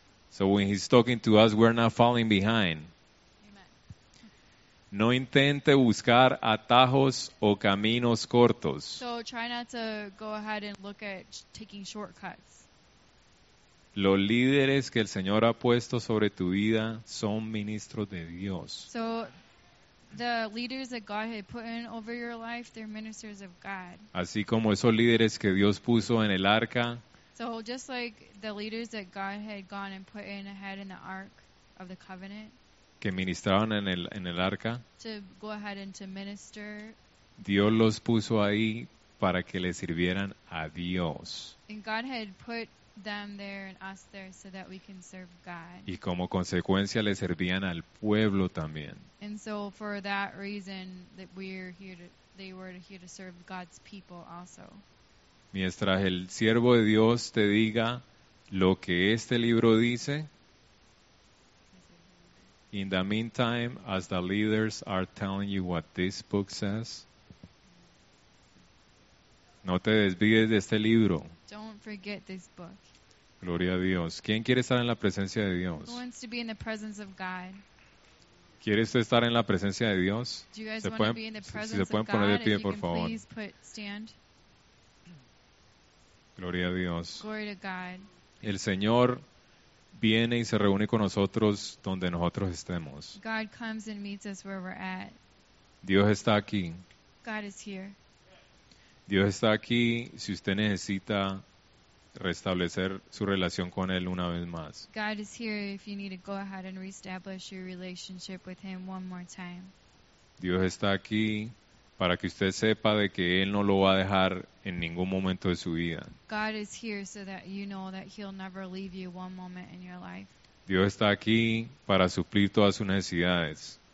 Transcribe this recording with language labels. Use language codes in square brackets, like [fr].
[en] So when He's talking to us, we're not falling behind. [es] No intente buscar atajos o caminos cortos. [en] So try not to go ahead and look at taking shortcuts. [es] Los líderes que el Señor ha puesto sobre tu vida son ministros de Dios. [en] So the leaders that God had put in over your life, they're ministers of God. [es] Así como esos líderes que Dios puso en el arca. [en] So just like the leaders that God had gone and put in ahead in the ark of the covenant. [es] Que ministraban en el arca. [en] To go ahead and to minister. [es] Dios los puso ahí para que le sirvieran a Dios. [en] And God had put them there and us there so that we can serve God. [es] Y como consecuencia le servían al pueblo también. [en] And so for that reason that they were here to serve God's people also. [es] Mientras el siervo de Dios te diga lo que este libro dice. [en] In the meantime, as the leaders are telling you what this book says. [es] No te desvíes de este libro. [en] Don't forget this book. [es] Gloria a Dios. ¿Quién quiere estar en la presencia de Dios? [en] Who wants to be in the presence of God? [es] ¿Quiere usted estar en la presencia de Dios? [en] Do you guys want to be in the presence of God? [es] Si se pueden poner de pie, por favor. [en] Please put stand. [es] Gloria a Dios. [en] Glory to God. [es] El Señor viene y se reúne con nosotros donde nosotros estemos. [en] God comes and meets us where we're at. [es] Dios está aquí. [en] God is here. [es] Dios está aquí si usted necesita restablecer su relación con Él una vez más. [en] God is here if you need to go ahead and reestablish your relationship with Him one more time. [es] Dios está aquí para que usted sepa de que Él no lo va a dejar en ningún momento de su vida. [en] God is here so that you know that He'll never leave you one moment in your life. [es] Dios está aquí para suplir todas sus necesidades.